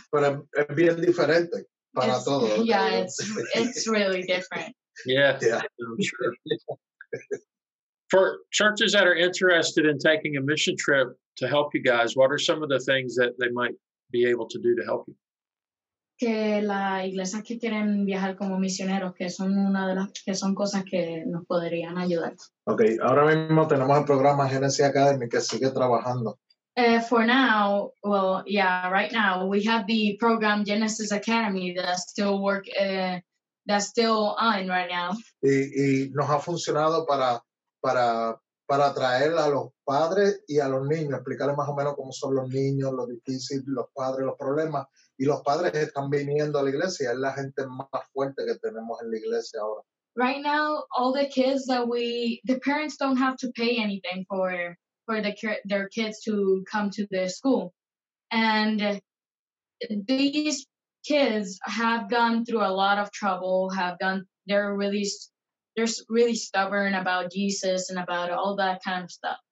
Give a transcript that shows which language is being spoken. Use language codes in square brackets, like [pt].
[en] But it's [es] bien diferente para todos. [en] Yeah, it's really different. Yeah. For churches that are interested in taking a mission trip to help you guys, what are some of the things that they might be able to do to help you? [es] Que las iglesias que quieren viajar como misioneros, que son cosas que nos podrían ayudar. Okay, ahora mismo tenemos el programa Genesis Academy que sigue trabajando. [en] Right now we have the program Genesis Academy that's still on right now. [es] Y nos ha funcionado para traer a los padres y a los niños, explicarles más o menos cómo son los niños, lo difícil, los padres, los problemas. Y los padres están viniendo a la iglesia, es la gente más fuerte que tenemos en la iglesia ahora. [en] Right now, all the kids that the parents don't have to pay anything for their kids to come to the school. And these kids have gone through a lot of trouble, they're really stubborn about Jesus and about all that kind of stuff.